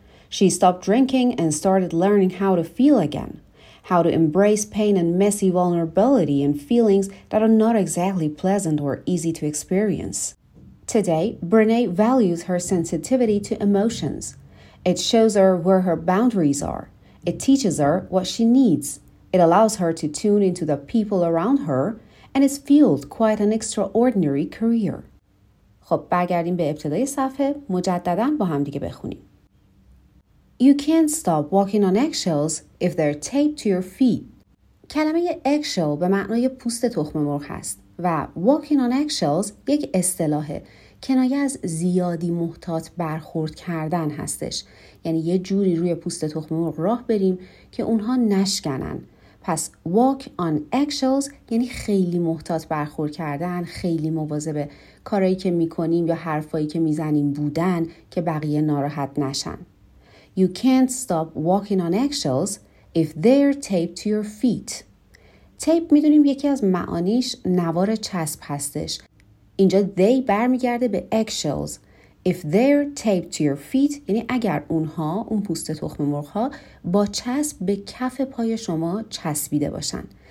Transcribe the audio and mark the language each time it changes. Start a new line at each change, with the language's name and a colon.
English: She stopped drinking and started learning how to feel again, how to embrace pain and messy vulnerability and feelings that are not exactly pleasant or easy to experience. Today, Brené values her sensitivity to emotions. It shows her where her boundaries are. It teaches her what she needs. It allows her to tune into the people around her, and it's fueled quite an extraordinary career.
Persian: خب برگردیم به ابتدای صفحه، مجدداً با هم دیگه بخونیم.
English: You can't stop walking on eggshells if they're taped to your feet.
Persian: کلمه eggshell به معنای پوست تخم مرغ هست و
English: walking on eggshells
Persian: یک اصطلاحه، کنایه از زیادی محتاط برخورد کردن هستش. یعنی یه جوری روی پوست تخم مرغ راه بریم که اونها نشکنن. پس
English: walk on eggshells
Persian: یعنی خیلی محتاط برخورد کردن، خیلی مواظب کارایی که میکنیم یا حرفایی که میزنیم بودن که بقیه ناراحت نشن.
English: You can't stop walking on eggshells if they're taped to your feet.
Persian: تیپ میدونیم یکی از معانیش نوار چسب هستش. اینجا they برمیگرده به eggshells.
English: If they're taped to your feet
Persian: یعنی اگر اونها، اون پوست تخم مرغ ها، با چسب به کف پای شما چسبیده باشن.